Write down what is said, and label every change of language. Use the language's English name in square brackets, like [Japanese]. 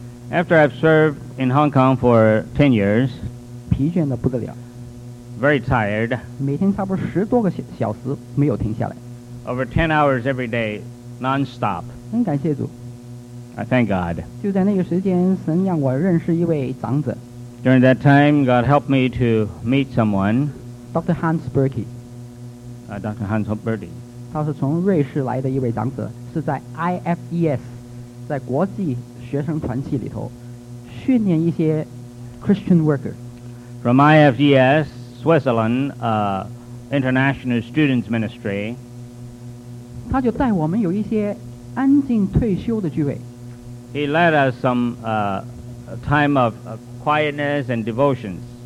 [English] After I've served in Hong Kong for 10 years. [Chinese] 疲倦得不得了。 [English] Very tired. [Chinese] 每天差不多10多个小时没有停下来。 [English] Over 10 hours every day, non-stop. [Chinese] 很感谢主。 [English] I thank God. [Chinese] 就在那个时间，神让我认识一位长者。 [English] During that time, God helped me to meet someone. Dr. Hans Berkey. Dr. Hans Berkey. [Chinese] 他是从瑞士来的一位长者，是在 IFES, 在国际学生团契里头训练一些 Christian worker. [English] From IFES. Switzerland, International Students Ministry. [Chinese] 他就带我们有一些安静退休的聚会。 [English] He led us some time of quietness and devotions.